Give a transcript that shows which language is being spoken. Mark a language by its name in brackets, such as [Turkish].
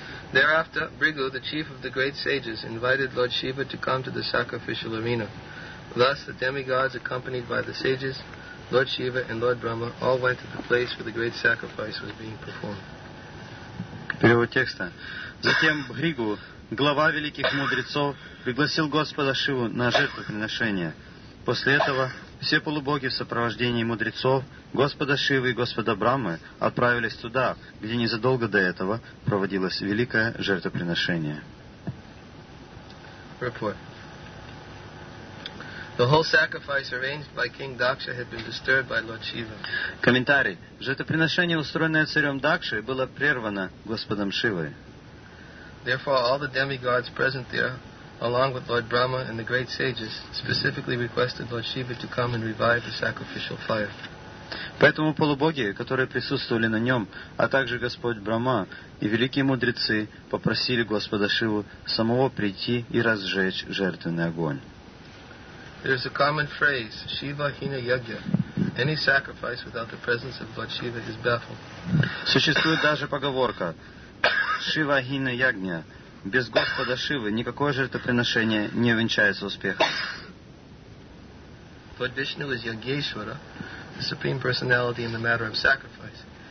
[English] Thereafter, Bhrigu, the chief of the great sages, invited Lord Shiva to come to the sacrificial arena. Thus, the demigods, accompanied by the sages, Lord Shiva and Lord Brahma, all went to the place where the great sacrifice was being performed. [Russian] Перевод текста. Затем Бригу, глава великих мудрецов, пригласил Господа Шиву на жертвоприношение. После этого все полубоги в сопровождении мудрецов, Господа Шивы и Господа Брамы, отправились туда, где незадолго до этого проводилось великое жертвоприношение. [English] Report. The whole sacrifice arranged by King Daksha had been disturbed by Lord Shiva. [Russian] Комментарий. Жертвоприношение, устроенное царем Дакшей, было прервано Господом Шивой. [English] Therefore, all the demigods present there, along with Lord Brahma and the great sages, specifically requested Lord Shiva to come and revive the sacrificial fire. [Russian] Поэтому полубоги, которые присутствовали на нем, а также Господь Брама и великие мудрецы, попросили Господа Шиву самого прийти и разжечь жертвенный огонь. [English] There is a common phrase, Shiva Hina Yagya. Any sacrifice without the presence of Lord Shiva is baffled. [Russian] Существует даже поговорка Шива Хина Ягня. Без Господа Шивы никакое жертвоприношение не увенчается успехом. [English] Lord Vishnu is Yageshwara, the supreme personality in the matter of sacrifice.